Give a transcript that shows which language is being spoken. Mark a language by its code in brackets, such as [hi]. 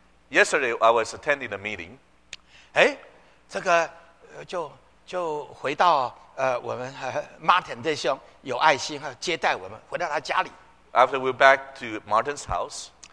[en] Yesterday I was attending a meeting. [zh] 这个就回到我们Martin 弟兄有爱心接待我们回到他家里。 [en] After we're back to Martin's house,